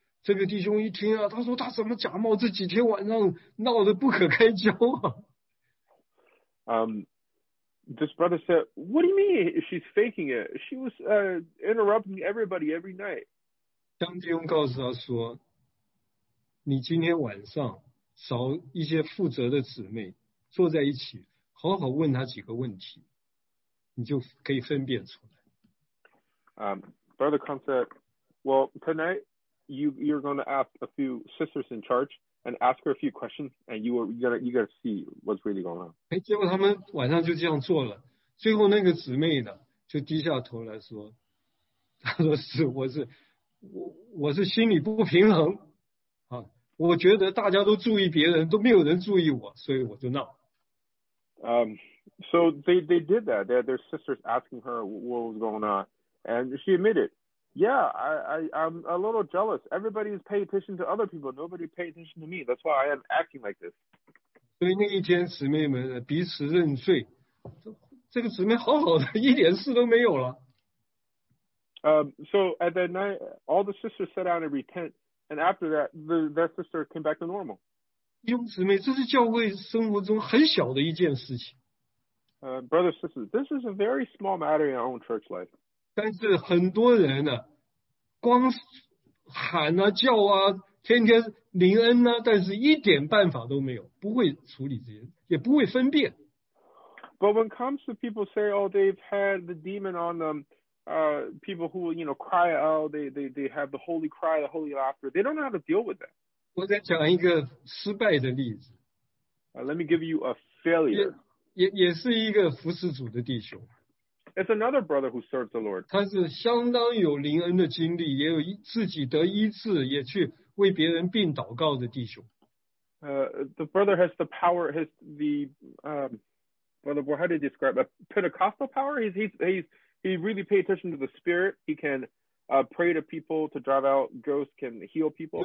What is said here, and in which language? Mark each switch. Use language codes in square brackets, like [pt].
[zh] 这个弟兄一听啊，他说他怎么假冒？这几天晚上闹得不可开交啊。 [en] This brother said, what do you mean she's faking it? She was interrupting everybody every night. [zh] 当弟兄告诉他说，你今天晚上找一些负责的姊妹坐在一起，好好问他几个问题，你就可以分辨出来。 [en] Brother Cohen said, well, tonight you're going to ask a few sisters in charge and ask her a few questions, and you're gonna see what's really going on. [zh] 结果他们晚上就这样做了，最后那个姊妹呢，就低下头来说，她说是，我是心里不平衡。我觉得大家都注意别人，都没有人注意我，所以我就闹。 [en] So they did that. Their sisters asking her what was going on, and she admitted, "Yeah, I'm a little jealous. Everybody is paying attention to other people. Nobody pay attention to me. That's why I am acting like this." [zh] 所以那一天，姊妹们彼此认罪，这个姊妹好好的，一点事都没有了。 [en] So at that night, all the sisters sat down and repent. And after that, that sister came back to normal. [zh] 弟兄姊妹，这是教会生活中很小的一件事情。 [en] Brother, sister, this is a very small matter in our own church life. [zh] 但是很多人呢、啊，光喊啊叫啊，天天灵恩啊，但是一点办法都没有，不会处理这些，也不会分辨。 [en] But when it comes to people say, oh, they've had the demon on them. People who, you know, cry out, they have the holy cry, the holy laughter. They don't know how to deal with that. [zh] 我再讲一个失败的例子。 [en] Let me give you a failure. [zh] 也是一个服侍主的弟兄。 [en] It's another brother who serves the Lord. [zh] 他是相当有灵恩的经历，也有自己得医治，也去为别人病祷告的弟兄。 [en] The brother has the power, has the, brother, how do you describe it? Pentecostal power? He really pay attention to the spirit. He can pray to people to drive out ghosts, can heal people.